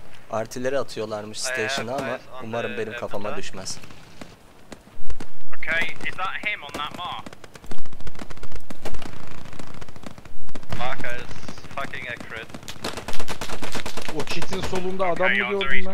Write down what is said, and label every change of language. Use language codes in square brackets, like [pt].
[tr] Artileri atıyorlarmış station'a ama umarım benim kafama düşmez. [en] Okay, is that him on that mark? Marker's fucking accurate. [tr] O çitin solunda adam mı gördüm ben?